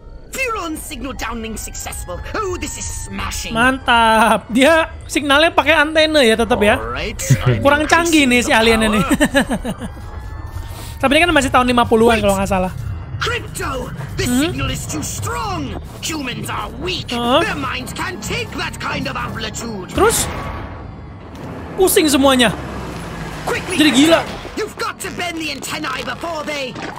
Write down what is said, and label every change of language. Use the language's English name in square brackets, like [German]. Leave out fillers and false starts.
[English] Furon signal downlink successful. Oh, this is smashing. [Indonesian] Mantap. Dia sinyalnya pakai antena ya tetap ya. Kurang canggih nih si alien ini. Tapi ini kan masih tahun 50-an kalau enggak salah. [English] Crypto, this signal is too strong. Humans are weak. Their minds can't take that kind of amplitude. [Indonesian] Terus pusing semuanya. [English] Quickly, [Indonesian] jadi gila. [English] You've got to bend the antennae before they...